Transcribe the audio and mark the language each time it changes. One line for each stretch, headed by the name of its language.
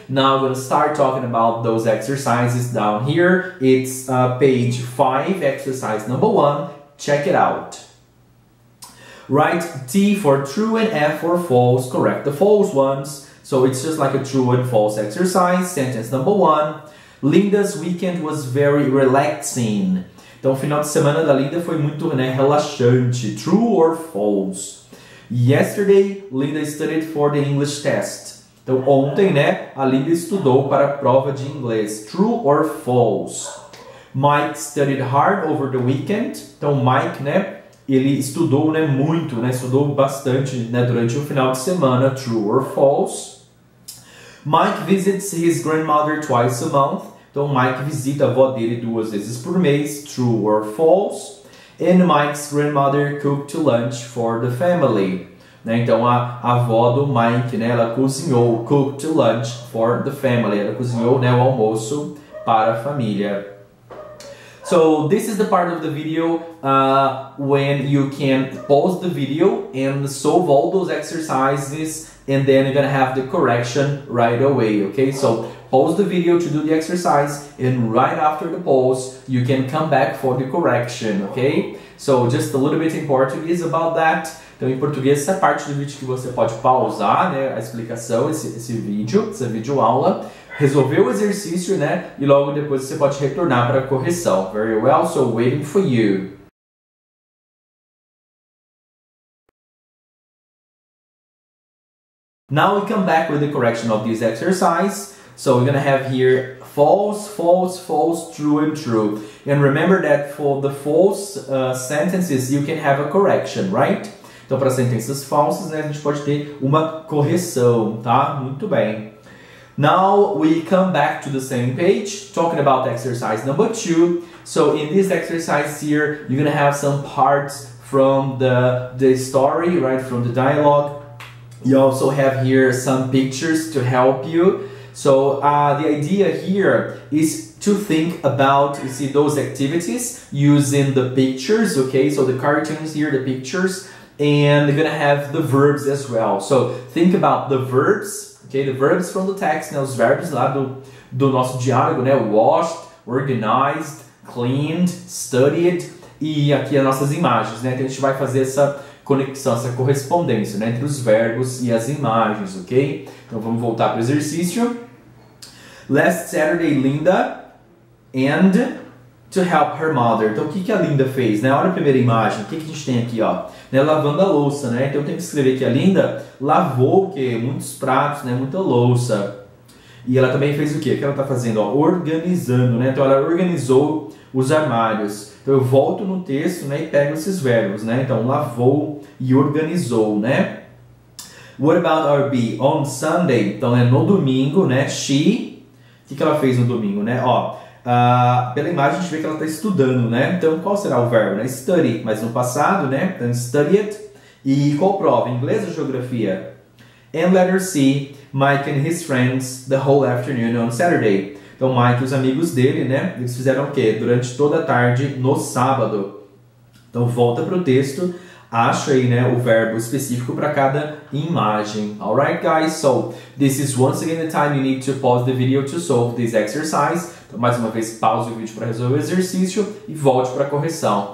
English: Now I'm going to start talking about those exercises down here. It's page 5, exercise number 1. Check it out. Write T for true and F for false. Correct the false ones. So it's just like a true and false exercise. Sentence number 1. Linda's weekend was very relaxing.
Portuguese: Então, o final de semana da Linda foi muito, né, relaxante.
English: True or false? Yesterday, Linda studied for the English test.
Portuguese: Então, ontem, né, a Linda estudou para a prova de inglês.
English: True or false? Mike studied hard over the weekend.
Portuguese: Então, Mike, né, ele estudou, né, muito, né, estudou bastante, né, durante o final de semana.
English: True or false? Mike visits his grandmother twice a month.
Portuguese: Então, Mike visita a avó dele duas vezes por mês.
English: True or false? And Mike's grandmother cooked lunch for the family.
Portuguese: Né? Então, a avó do Mike, né, ela cozinhou,
English: cooked lunch for the family.
Portuguese: Ela cozinhou, né, o almoço para a família.
English: So, this is the part of the video when you can pause the video and solve all those exercises. And then you're gonna have the correction right away, okay? So pause the video to do the exercise, and right after the pause, you can come back for the correction, okay? So just a little bit in Portuguese about that.
Portuguese: Então, em português, essa parte do vídeo que você pode pausar, né, a explicação, esse vídeo, essa videoaula, resolver o exercício, né, e logo depois você pode retornar para a correção.
English: Very well, so waiting for you. Now we come back with the correction of this exercise. So we're gonna have here false, false, false, true, and true. And remember that for the false sentences, you can have a correction, right?
Portuguese: Então, para sentenças falsas, né, a gente pode ter uma correção, tá? Muito bem.
English: Now we come back to the same page, talking about exercise number 2. So in this exercise here, you're gonna have some parts from the story, right, from the dialogue. You also have here some pictures to help you. So the idea here is to think about, you see, those activities using the pictures, okay? So the cartoons here, the pictures, and they're gonna have the verbs as well. So think about the verbs, okay? The verbs from the text,
Portuguese: né? Os verbos lá do nosso diálogo, né?
English: Washed, organized, cleaned, studied,
Portuguese: e aqui as nossas imagens, né? Então a gente vai fazer essa conexão, essa correspondência, né, entre os verbos e as imagens, ok? Então, vamos voltar para o exercício.
English: Last Saturday, Linda and to help her mother.
Portuguese: Então, o que a Linda fez? Né? Olha a primeira imagem, o que a gente tem aqui? Ó? Né, lavando a louça, né? Então, eu tenho que escrever que a Linda lavou o quê? Muitos pratos, né? Muita louça. E ela também fez o quê? O que ela está fazendo? Ó, organizando, né? Então, ela organizou os armários. Então, eu volto no texto, né, e pego esses verbos, né? Então, lavou e organizou, né?
English: What about our B? On Sunday.
Portuguese: Então, é no domingo, né? She. O que ela fez no domingo, né? Ó, pela imagem, a gente vê que ela está estudando, né? Então, qual será o verbo? Né? Study. Mas no passado, né? Então,
English: studied.
Portuguese: E qual prova? Inglês ou geografia?
English: And letter C. Mike and his friends the whole afternoon on Saturday.
Portuguese: Então, Mike e os amigos dele, né, eles fizeram o quê? Durante toda a tarde, no sábado. Então, volta para o texto, acha aí, né, o verbo específico para cada imagem.
English: Alright, guys? So, this is once again the time you need to pause the video to solve this exercise.
Portuguese: Então, mais uma vez, pause o vídeo para resolver o exercício e volte para a correção.